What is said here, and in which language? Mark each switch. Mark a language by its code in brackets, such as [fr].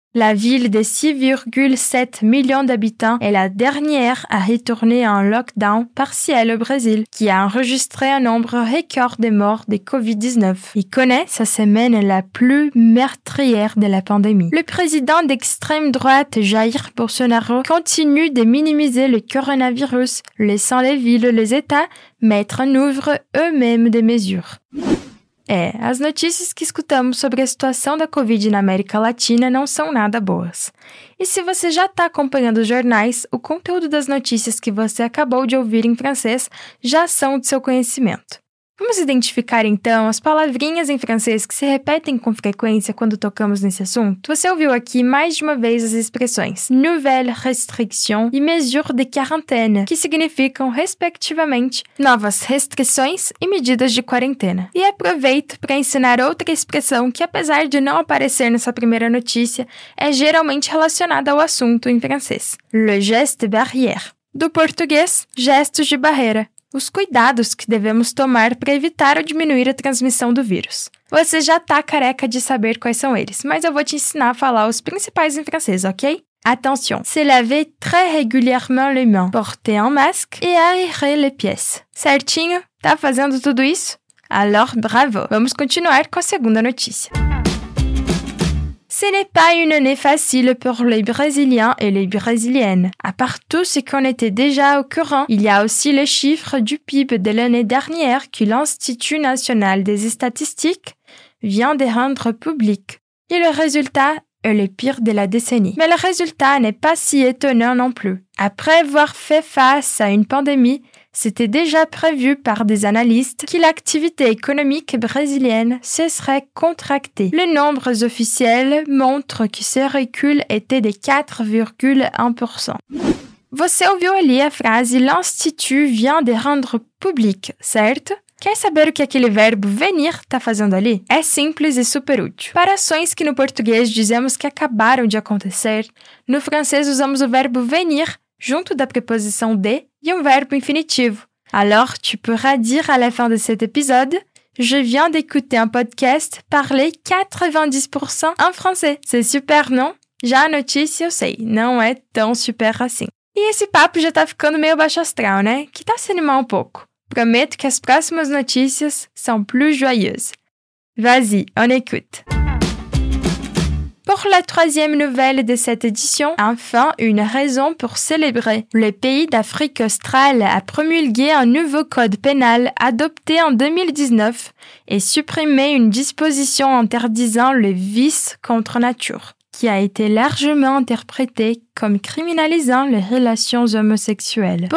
[fr] La ville de 6,7 millions d'habitants est la dernière à retourner en lockdown partiel au Brésil, qui a enregistré un nombre record de morts de COVID-19. Il connaît sa semaine la plus meurtrière de la pandémie. Le président d'extrême droite, Jair Bolsonaro, continue de minimiser le coronavirus, laissant les villes, les États, mettre en œuvre eux-mêmes des mesures. [pt] Et as notícias que escutamos sobre a situação da Covid na América Latina não são nada boas. E se você já está acompanhando os jornais, o conteúdo das notícias que você acabou de ouvir em francês já são do seu conhecimento. Vamos identificar, então, as palavrinhas em francês que se repetem com frequência quando tocamos nesse assunto? Você ouviu aqui mais de uma vez as expressões [fr] nouvelle restriction [pt] e [fr] mesure de quarantaine, [pt] que significam, respectivamente, novas restrições e medidas de quarentena. E aproveito para ensinar outra expressão que, apesar de não aparecer nessa primeira notícia, é geralmente relacionada ao assunto em francês. [fr] Le geste barrière. [pt] Do português, gestos de barreira. Os cuidados que devemos tomar para evitar ou diminuir a transmissão do vírus. Você já está careca de saber quais são eles, mas eu vou te ensinar a falar os principais em francês, ok? [fr] Attention, se laver très régulièrement les mains, porter un masque et aérer les pièces. [pt] Certinho? Tá fazendo tudo isso? [fr] Alors, bravo! [pt] Vamos continuar com a segunda notícia. [fr] Ce n'est pas une année facile pour les Brésiliens et les Brésiliennes. À part tout ce qu'on était déjà au courant, il y a aussi les chiffres du PIB de l'année dernière que l'Institut national des statistiques vient de rendre public. Et le résultat est le pire de la décennie. Mais le résultat n'est pas si étonnant non plus. Après avoir fait face à une pandémie, C'était déjà prévu par des analystes que l'activité économique brésilienne se serait contractée. Les nombres officiels montrent que ce recul était de 4,1%. [pt] Você ouviu ali a frase « [fr] l'institut vient de rendre public [pt] », certo? Quer saber o que aquele verbo venir está fazendo ali? É simples e super útil. Para ações que no português dizemos que acabaram de acontecer, no francês usamos o verbo venir junto da preposição de e um verbo infinitivo. [fr] Alors, tu pourras dire à la fin de cet épisode « Je viens d'écouter un podcast parler 90% en français ». C'est super, non? [pt] Já a notícia, eu sei, não é tão super assim. E esse papo já tá ficando meio baixo astral, né? Que tal se animar um pouco? Prometo que as próximas notícias são [fr] plus joyeuses. Vas-y, on écoute! Pour la troisième nouvelle de cette édition, enfin une raison pour célébrer. Le pays d'Afrique australe a promulgué un nouveau code pénal adopté en 2019 et supprimé une disposition interdisant le vice contre nature, qui a été largement interprétée comme criminalisant les relations homosexuelles.